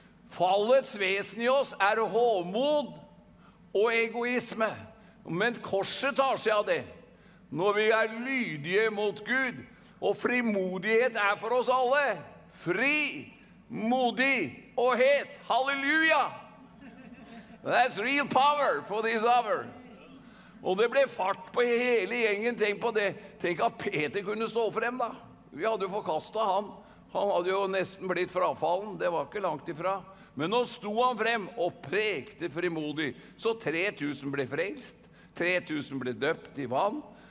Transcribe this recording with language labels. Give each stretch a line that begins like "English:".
Norwegian: Fallets vesen I oss hovmod og egoisme. Men korset tar seg av det. Når vi lydige mot Gud, og frimodighet for oss alle. Fri, modig og het. Halleluja!
English: That's real power for this hour.
Norwegian: Og det ble fart på hele gjengen. Tenk på det. Tenk at Peter kunne stå frem da. Vi hadde jo forkastet han. Han hadde jo nesten blitt frafallen. Det var ikke langt ifra. Men nå sto han frem og prekte frimodig. Så 3000 ble frelst. 3000 ble døpt I vann.